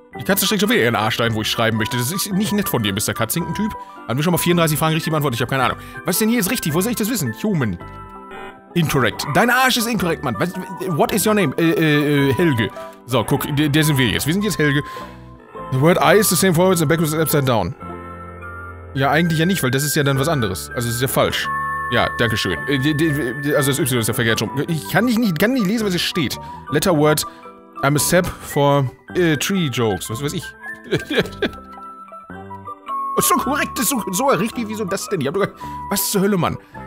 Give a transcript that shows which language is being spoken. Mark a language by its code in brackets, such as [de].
[de] Die Katze steckt schon wieder ihren Arsch ein, wo ich schreiben möchte. Das ist nicht nett von dir, Mr. Katzinkentyp. Haben wir schon mal 34 Fragen richtig beantwortet? Ich habe keine Ahnung. Was ist denn hier jetzt richtig? Wo soll ich das wissen? [en] Human. Incorrect. [de] Dein Arsch ist incorrect, Mann. [en] What is your name? [de] Helge. So, guck, der sind wir jetzt. Wir sind jetzt Helge. [en] The word I is the same forwards and backwards and upside down. [de] Ja, eigentlich ja nicht, weil das ist ja dann was anderes. Also, es ist ja falsch. Ja, danke schön. Also, das Y ist ja verkehrt schon. Ich kann nicht lesen, was es steht. [en] Letter word, I'm a sap for tree jokes. [de] Was weiß ich. So korrekt, das ist so richtig, wieso das denn? Ich hab doch gedacht, was zur Hölle, Mann?